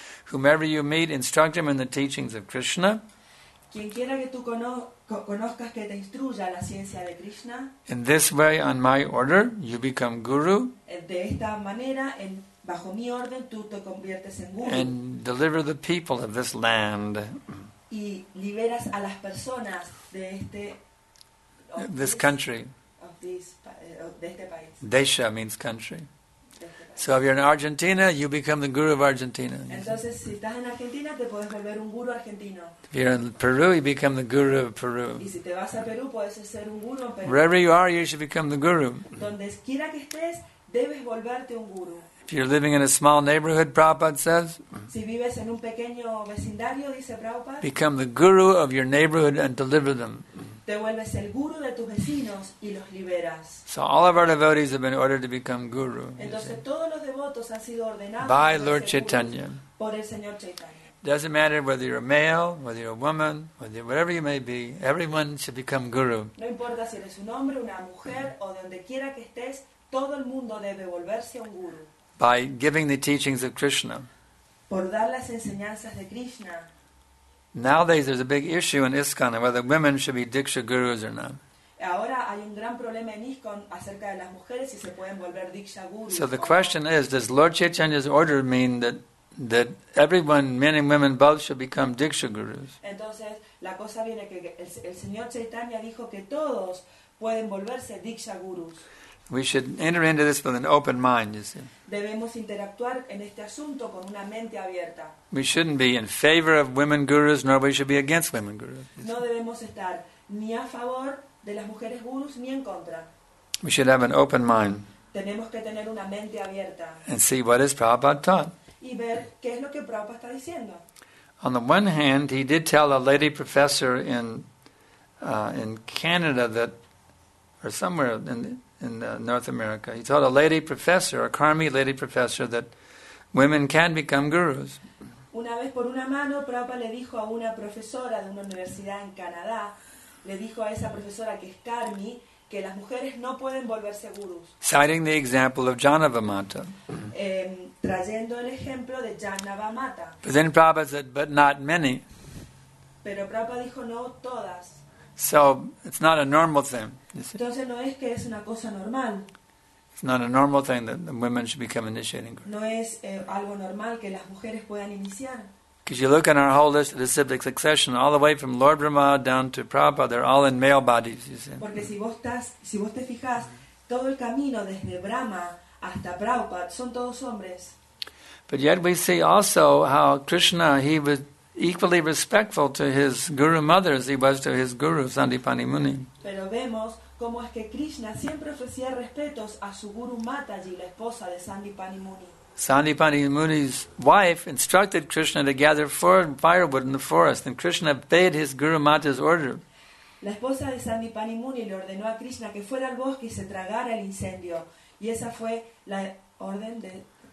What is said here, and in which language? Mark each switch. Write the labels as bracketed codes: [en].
[en] Whomever you meet, instruct him in the teachings of Krishna. [es] Quien quiera que tú conozcas que te instruya la ciencia de Krishna. [en] In this way, on my order, you become guru. [es] De esta manera, bajo mi orden, tú te conviertes en guru. [en] And deliver the people of this land. [es] Y liberas a las personas de este. [en] This country. [es] De este país. [en] Desha means country. So if you're in Argentina, you become the guru of Argentina. [es] Entonces, si estás en Argentina, te puedes volver un guru argentino. [en] If you're in Peru, you become the guru of Peru. [es] Y si te vas a Perú, puedes ser un guru en Perú. [en] Wherever you are, you should become the guru. [es] Donde quiera que estés, debes volverte un guru. [en] If you're living in a small neighborhood, Prabhupada says, [es] si vives en un pequeño vecindario, dice Prabhupada, [en] become the guru of your neighborhood and deliver them. [es] Te vuelves el guru de tus vecinos y los liberas. [en] So all of our devotees have been ordered to become guru. [es] Entonces todos los devotos han sido ordenados [en] by Lord Chaitanya. [es] Por el señor Chaitanya. [en] Doesn't matter whether you're a male, whether you're a woman, whatever you may be, everyone should become guru. [es] No importa si eres un hombre, una mujer o donde quiera que estés, todo el mundo debe volverse un guru. [en] By giving the teachings of Krishna. [es] Por dar las enseñanzas de Krishna. [en] Nowadays there's a big issue in ISKCON whether women should be Diksha Gurus or not. [es] Ahora hay un gran problema en ISKCON acerca de las mujeres si se pueden volver Diksha Gurus. [en] So the question is, does Lord Chaitanya's order mean that everyone, men and women both, should become Diksha Gurus? [es] Entonces la cosa viene que el señor Chaitanya dijo que todos pueden volverse Diksha Gurus. [en] We should enter into this with an open mind, you see. [es] Debemos interactuar en este asunto con una mente abierta. [en] We shouldn't be in favor of women gurus, nor we should be against women gurus. [es] No debemos estar ni a favor de las mujeres gurus ni en contra. [en] We should have an open mind. [es] Tenemos que tener una mente abierta. [en] And see what is Prabhupada taught. [es] Y ver qué es lo que Prabhupada está diciendo. [en] On the one hand, he did tell a lady professor in Canada that, or somewhere in North America. He told a lady professor, a Karmi lady professor, that women can become gurus. [es] Una vez por una mano, Prabhupada le dijo a una profesora de una universidad en Canadá, le dijo a esa profesora que es Karmi, que las mujeres no pueden volverse gurus. [en] Citing the example of Jhanavamata. [es] Trayendo el ejemplo de Jhanavamata. [en] But then Prabhupada said, but not many. [es] Pero Prabhupada dijo, no todas. [en] So, it's not a normal thing. [es] Entonces no es que es una cosa normal. [en] It's not a normal thing that the women should become initiating gurus. [es] No es algo normal que las mujeres puedan iniciar. [en] Because you look at our whole list of the siblic succession, all the way from Lord Brahma down to Prabhupada, they're all in male bodies, you see. [es] Porque si vos te fijas, todo el camino desde Brahma hasta Prabhupada son todos hombres. [en] But yet we see also how Krishna, he was equally respectful to his guru mother as he was to his guru Sandipani Muni. [es] Pero vemos cómo es que Krishna siempre ofrecía respetos a su guru Mataji, la esposa de Sandipani Muni. [en] Sandipani Muni's wife instructed Krishna to gather firewood in the forest, and Krishna obeyed his guru Mata's order. [es] La esposa de Sandipani Muni le ordenó a Krishna que fuera al bosque y se tragara el incendio, y esa fue la orden de.